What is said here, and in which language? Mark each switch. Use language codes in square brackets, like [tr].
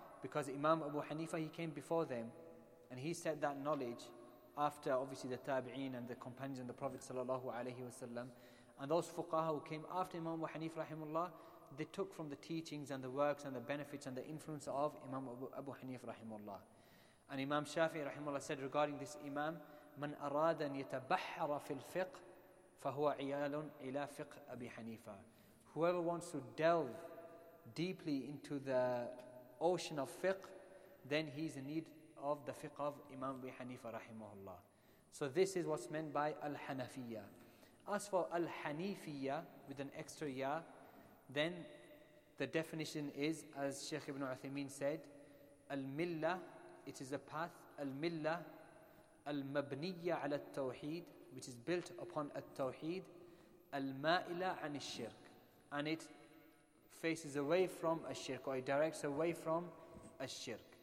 [en] Because Imam Abu Hanifa, he came before them, and he said that knowledge after obviously the tabi'een and the companions and the Prophet sallallahu alayhi wasallam, and those fuqaha who came after Imam Abu Hanifa rahimahullah, they took from the teachings and the works and the benefits and the influence of Imam Abu Hanifa rahimahullah. And Imam Shafi'i rahimahullah said regarding this Imam, [ar] من أراد أن يتبحر في الفقه فهو عيال إلى فقه أبي حنيفة. [en] Whoever wants to delve deeply into the ocean of fiqh, then he is in need of the fiqh of Imam Abu Hanifa rahimahullah. So this is what's meant by Al-Hanafiyya. As for Al-Hanifiyya with an extra ya, then the definition is, as Shaykh Ibn Uthaymeen said, Al-Millah, it is a path, Al-Millah, Al-Mabniyya ala Tawheed, which is built upon At-Tawheed, Al-Ma'ila an Shirk, and it faces away from Ash-Shirk, or it directs away from Ash-Shirk.